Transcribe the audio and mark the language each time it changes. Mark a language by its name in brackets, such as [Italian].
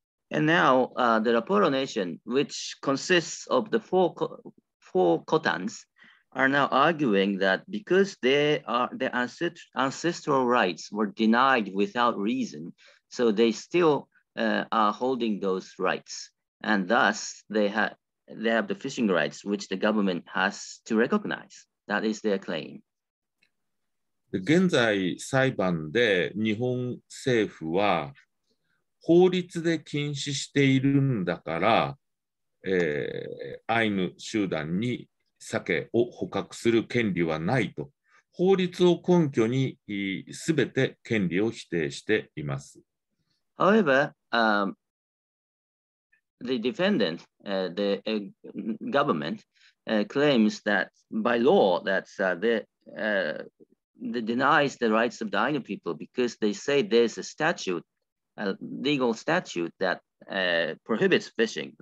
[English] And now the Raporo Nation, which consists of the four Kotans, are now arguing that because their ancestral rights were denied without reason, so they still are holding those rights. And thus they have the fishing rights, which the government has to recognize. That is their claim. [Japanese] 現在裁判で日本政府は法律で禁止しているんだから、アイヌ集団にサケを捕獲する権利はないと法律を根拠にすべて権利を否定しています。 [English] However, the defendant, the government, claims that by law that they denies the rights of the Ainu people because they say there's a statute, a legal statute that prohibits fishing.